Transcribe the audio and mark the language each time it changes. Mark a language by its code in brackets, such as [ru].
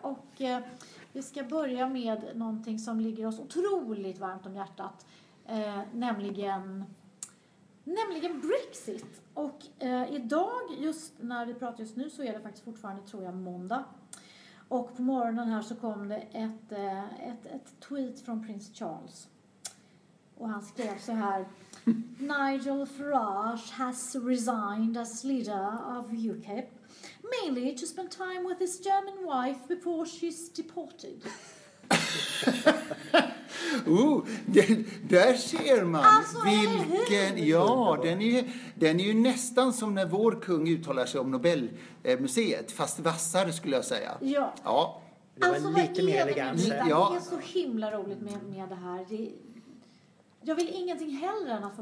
[sv] Och vi ska börja med någonting som ligger oss otroligt varmt om hjärtat. Nämligen Brexit. Och idag, just när vi pratar just nu, så är det faktiskt fortfarande, tror jag, måndag. Och på morgonen här så kom det ett tweet från prins Charles. Och han skrev så här: [en] Nigel Farage has resigned as leader of UKIP, mainly to spend time with his German wife before she's deported. [sv] Ooh, där ser man alltså, vilken, ja, den är ju nästan som när vår kung uttalar sig om Nobelmuseet, fast vassare skulle jag säga. Ja. Det var alltså, lite mer elegant. Ja. Det är så himla roligt med det här. Jag vill ingenting hellre än att få.